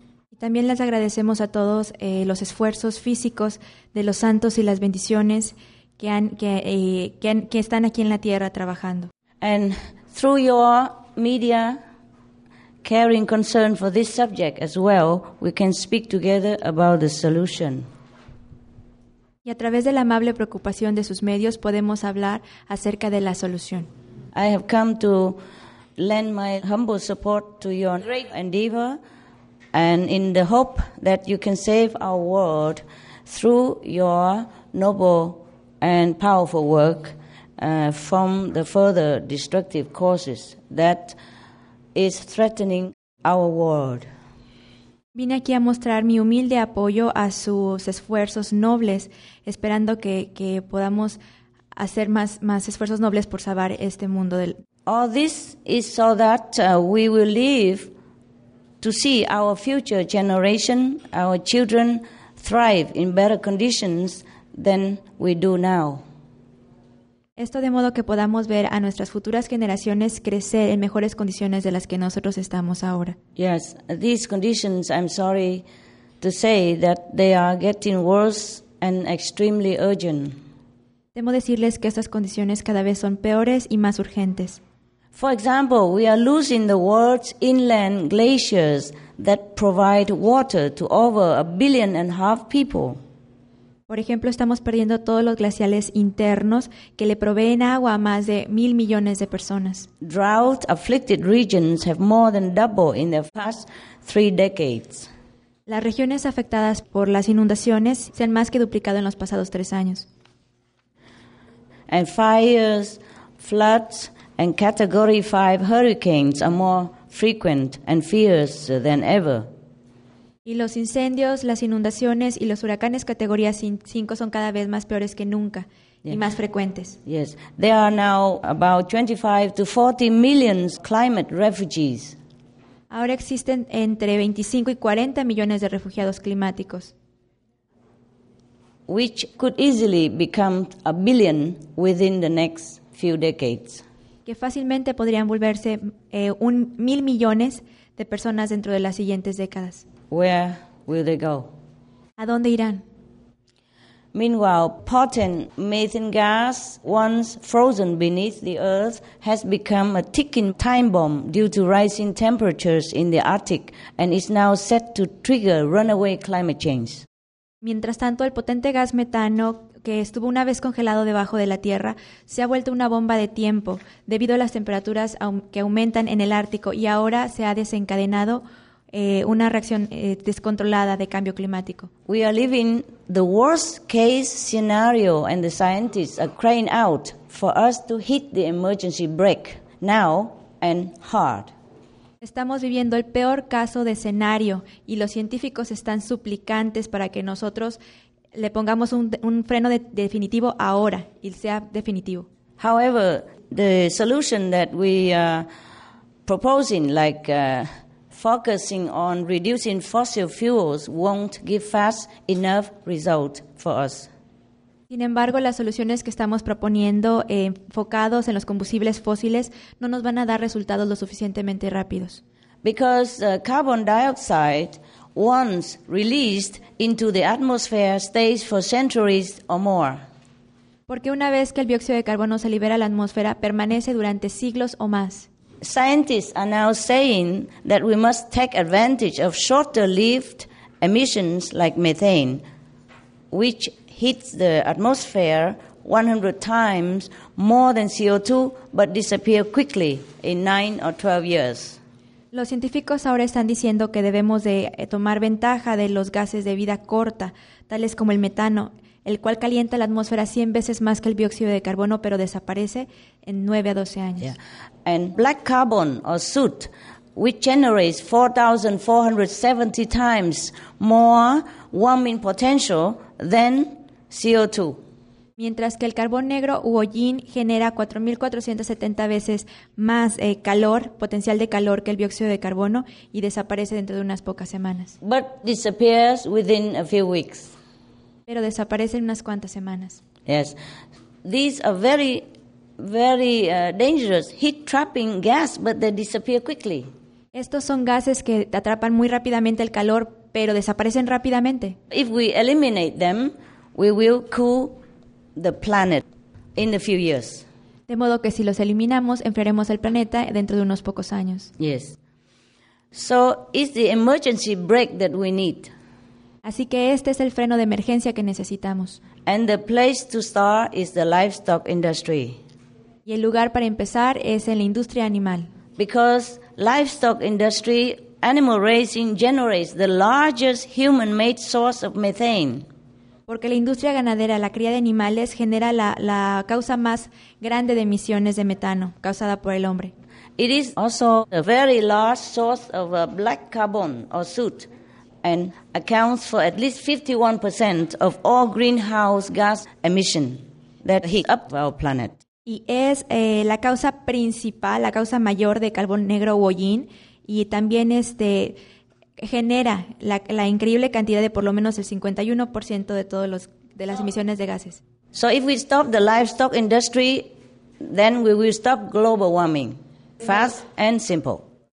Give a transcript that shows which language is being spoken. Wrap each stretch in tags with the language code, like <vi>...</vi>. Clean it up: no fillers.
<es>Y también les agradecemos a todos los esfuerzos físicos de los santos y las bendiciones que están aquí en la tierra trabajando.</es> <en>And through your media caring concern for this subject as well, we can speak together about the solution.</en> <es>Y a través de la amable preocupación de sus medios podemos hablar acerca de la solución.</es> <en>I have come to lend my humble support to your great endeavor and in the hope that you can save our world through your noble and powerful work from the further destructive causes that is threatening our world.</en> <es>Vine aquí a mostrar mi humilde apoyo a sus esfuerzos nobles, esperando que podamos hacer más esfuerzos nobles por salvar este mundo.</es> <en>All this is so that we will live to see our future generation, our children, thrive in better conditions than we do now.</en> <es>Esto de modo que podamos ver a nuestras futuras generaciones crecer en mejores condiciones de las que nosotros estamos ahora.</es> <en>Yes, these conditions, I'm sorry to say that they are getting worse and extremely urgent.</en> <es>Temo decirles que estas condiciones cada vez son peores y más urgentes.</es> <en>For example, we are losing the world's inland glaciers that provide water to over 1.5 billion people.</en> <es>Por ejemplo, estamos perdiendo todos los glaciales internos que le proveen agua a más de 1,000,000,000 de personas.</es> <en>Drought-afflicted regions have more than doubled in the past 3 decades.</en> <es>Las regiones afectadas por las inundaciones se han más que duplicado en los pasados 3 años.</es> <en>And fires, floods, and Category 5 hurricanes are more frequent and fierce than ever.</en> <es>Y los incendios, las inundaciones y los huracanes Categoría 5 son cada vez más peores que nunca y más frecuentes.</es> <en>Yes, there are now about 25 to 40 million climate refugees.</en> <es>Ahora existen entre 25 y 40 millones de refugiados climáticos,</es> <en>which could easily become 1 billion within the next few decades.</en> <es>Que fácilmente podrían volverse 1,000,000,000 de personas dentro de las siguientes décadas.</es> <en>Where will they go?</en> <es>¿A dónde irán?</es> <en>Meanwhile, potent methane gas, once frozen beneath the earth, has become a ticking time bomb due to rising temperatures in the Arctic and is now set to trigger runaway climate change.</en> <es>Mientras tanto, el potente gas metano que estuvo una vez congelado debajo de la Tierra se ha vuelto una bomba de tiempo debido a las temperaturas que aumentan en el Ártico y ahora se ha desencadenado una reacción descontrolada de cambio climático.</es> <en>We are living the worst case scenario and the scientists are crying out for us to hit the emergency brake now and hard.</en> <es>Estamos viviendo el peor caso de escenario y los científicos están suplicantes para que nosotros le pongamos un freno definitivo ahora y sea definitivo.</es> <en>However, the solution that we are proposing, like focusing on reducing fossil fuels, won't give fast enough result for us.</en> <es>Sin embargo, las soluciones que estamos proponiendo enfocados en los combustibles fósiles no nos van a dar resultados lo suficientemente rápidos.</es> <en>Because carbon dioxide, once released into the atmosphere, stays for centuries or more.</en> <es>Porque una vez que el dióxido de carbono se libera a la atmósfera, permanece durante siglos o más.</es> <en>Scientists are now saying that we must take advantage of shorter-lived emissions like methane, which hits the atmosphere 100 times more than CO2, but disappear quickly in 9 or 12 years.</en> <es>Los científicos ahora están diciendo que debemos de tomar ventaja de los gases de vida corta, tales como el metano, el cual calienta la atmósfera 100 veces más que el dióxido de carbono, pero desaparece en 9 a 12 años.</es> <en>Yeah. And black carbon or soot, which generates 4,470 times more warming potential than CO2.</en> <es>Mientras que el carbón negro u hollín genera 4,470 veces más calor, potencial de calor, que el dióxido de carbono y desaparece dentro de unas pocas semanas.</es> <en>But disappears within a few weeks.</en> <es>Pero desaparece en unas cuantas semanas.</es> <en>Yes. These are very, very dangerous heat-trapping gas, but they disappear quickly.</en> <es>Estos son gases que atrapan muy rápidamente el calor, pero desaparecen rápidamente.</es> <en>If we eliminate them, we will cool the planet in a few years.</en> <es>De modo que si los eliminamos, enfriaremos el planeta dentro de unos pocos años.</es> <en>Yes. So it's the emergency brake that we need.</en> <es>Así que este es el freno de emergencia que necesitamos.</es> <en>And the place to start is the livestock industry.</en> <es>Y el lugar para empezar es en la industria animal.</es> <en>Because livestock industry, animal raising, generates the largest human-made source of methane.</en> <es>Porque la industria ganadera, la cría de animales, genera la causa más grande de emisiones de metano causada por el hombre.</es> <en>It is also a very large source of black carbon or soot and accounts for at least 51% of all greenhouse gas emission that heat up our planet.</en> <es>Y es la causa principal, la causa mayor de carbón negro o hollín y también genera la increíble cantidad de por lo menos el 51% de todos las emisiones de gases.</es> <en>So if we stop the livestock industry, then we will stop global warming, fast and simple.</en>